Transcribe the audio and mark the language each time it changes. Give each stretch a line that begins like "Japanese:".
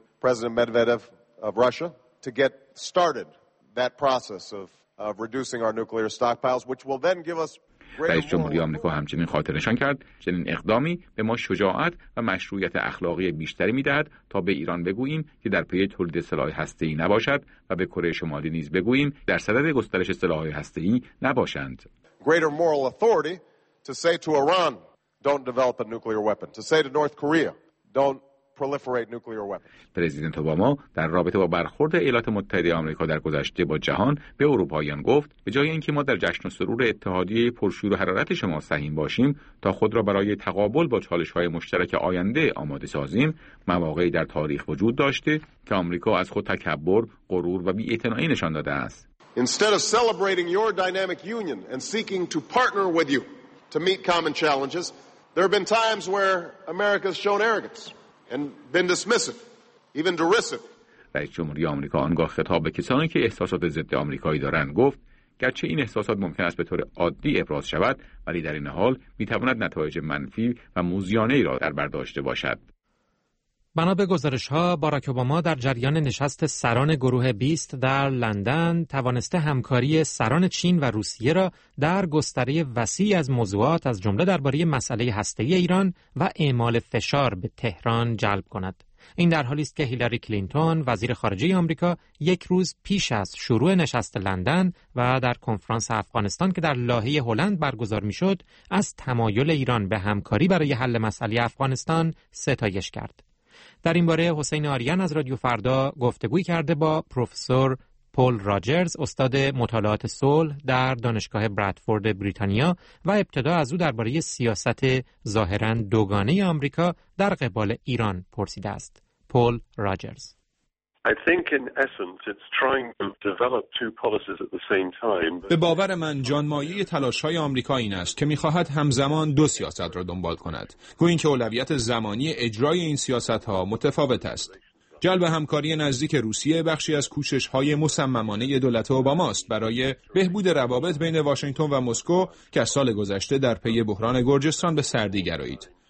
English: President Medvedev of Russia to get started that process of reducing our nuclear stockpiles which will then give us
Persian: رئیس جمهوری آمریکا همچنین خاطر نشان کرد چنین اقدامی به ما شجاعت و مشروعیت اخلاقی بیشتری می‌دهد تا به ایران بگوییم که در پی تولید سلاح هسته‌ای نباشد و به کره شمالی نیز بگوییم در صدد گسترش سلاح‌های هسته‌ای نباشند.
English: Greater moral authority to say to Iran don't develop a nuclear weapon, to say to North Korea don't proliferate nuclear weapons.
Persian: پرزیدنت اوباما در رابطه با برخورد ایالات متحده آمریکا در گذشته با جهان به اروپاییان گفت به جای اینکه ما در جشن و سرور اتحادیه پرشور و حرارت شما سهیم باشیم تا خود را برای تقابل با چالش‌های مشترک آینده آماده سازیم، مواقعی در تاریخ وجود داشته که آمریکا از خود تکبر، غرور و بی‌اعتنایی نشان داده است.
English: Instead of celebrating your dynamic union and seeking to partner with you to meet common challenges, there have been times where America has shown arrogance and been dismissive, even derisive.
Persian: رئیس جمهوری آمریکا آنگاه خطاب به کسانی که احساسات ضد آمریکایی دارند گفت: گرچه این احساسات ممکن است به طور عادی ابراز شود، ولی در این حال می‌تواند نتایج منفی و موذیانه‌ای را در بر داشته باشد. بنا به گزارش‌ها، باراک اوباما در جریان نشست سران گروه 20 در لندن توانسته همکاری سران چین و روسیه را در گستره وسیعی از موضوعات از جمله درباره مسئله هسته‌ای ایران و اعمال فشار به تهران جلب کند. این در حالی است که هیلاری کلینتون، وزیر خارجه آمریکا، یک روز پیش از شروع نشست لندن و در کنفرانس افغانستان که در لاهه هلند برگزار می‌شد، از تمایل ایران به همکاری برای حل مسئله افغانستان ستایش کرد. در این باره حسین آریان از رادیو فردا گفتگوی کرده با پروفسور پول راجرز، استاد مطالعات صلح در دانشگاه برادفورد بریتانیا، و ابتدا از او درباره سیاست ظاهراً دوگانه آمریکا در قبال ایران پرسیده است. پول راجرز:
English: I think in essence it's trying to develop two policies at the same time.
Persian: به باور من جانمایه تلاش‌های آمریکا این است که می‌خواهد همزمان دو سیاست را دنبال کند. گویی که اولویت زمانی اجرای این سیاست‌ها متفاوت است. جلب همکاری نزدیک روسیه بخشی از کوشش‌های مصممانه دولت اوباما است برای بهبود روابط بین واشنگتن و مسکو که از سال گذشته در پی بحران گرجستان به سردی گرایید.